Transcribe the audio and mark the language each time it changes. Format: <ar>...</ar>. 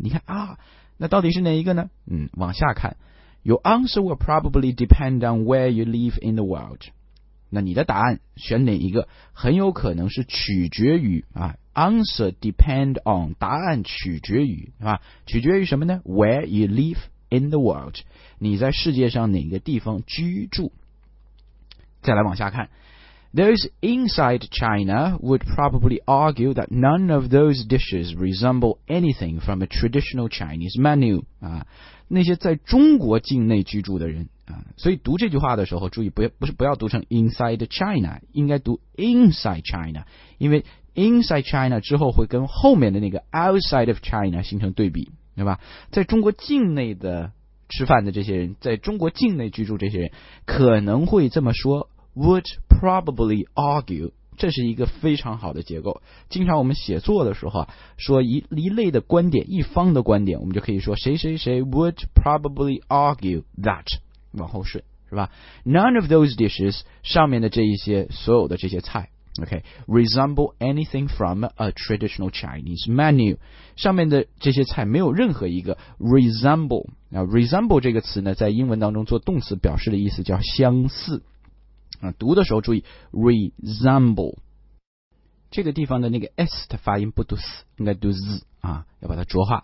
<zh>你看啊，那到底是哪一个呢？</zh> <en>嗯，往下看，Your answer will probably depend on where you live in the world。</en> <zh>那你的答案选哪一个，很有可能是取决于啊。 Answer depend on，答案取决于，是吧？取决于什么呢？ Where you live in the world，你在世界上哪个地方居住。再来往下看， Those inside China would probably argue that none of those dishes resemble anything from a traditional Chinese menu、啊、那些在中国境内居住的人、啊、所以读这句话的时候注意，不要读成 inside China，应该读 inside China， 因为inside China 之后会跟后面的那个 outside of China 形成对比，对吧？在中国境内的吃饭的这些人，在中国境内居住这些人可能会这么说， would probably argue，这是一个非常好的结构。经常我们写作的时候说一类的观点，一方的观点，我们就可以说谁谁谁 would probably argue that，往后顺，是吧？ None of those dishes，上面的这一些所有的这些菜</zh> <en>Okay, resemble anything from a traditional Chinese menu.</en> <zh>上面的这些菜没有任何一个 resemble. Now, resemble 这个词呢，在英文当中做动词表示的意思叫相似。啊，读的时候注意 resemble. 这个地方的那个 s 的发音不读 s， 应该读 z 啊，要把它浊化。</zh>